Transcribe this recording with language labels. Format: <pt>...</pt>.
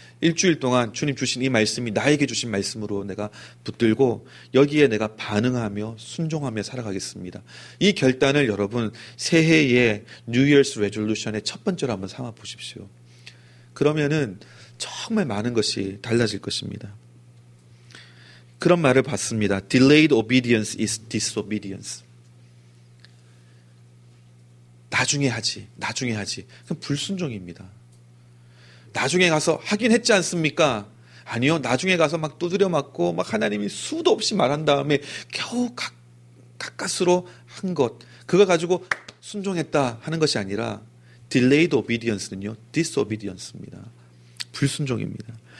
<ko>일주일 동안 주님 주신 이 말씀이 나에게 주신 말씀으로 내가 붙들고 여기에 내가 반응하며 순종하며 살아가겠습니다. 이 결단을 여러분 새해의</ko> <en>New Year's Resolution</en> <ko>의 첫 번째로 한번 삼아 보십시오. 그러면은 정말 많은 것이 달라질 것입니다. 그런 말을 봤습니다.</ko> <en>Delayed obedience is disobedience.</en> <ko>나중에 하지, 나중에 하지. 그럼 불순종입니다. 나중에 가서 하긴 했지 않습니까? 아니요. 나중에 가서 막 두드려 맞고, 막 하나님이 수도 없이 말한 다음에 겨우 가까스로 한 것. 그거 가지고 순종했다 하는 것이 아니라,</ko> <en>delayed obedience</en> <ko>는요, disobedience입니다. 불순종입니다.</ko>